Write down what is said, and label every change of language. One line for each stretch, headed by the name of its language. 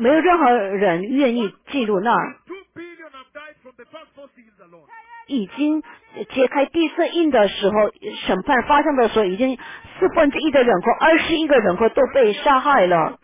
Chinese: 没有任何人愿意进入那儿。
English: Two billion have died from the first four seals alone.
Chinese: 已经揭开第四印的时候，审判发生的时候，已经四分之一的人口，20亿个人口都被杀害了。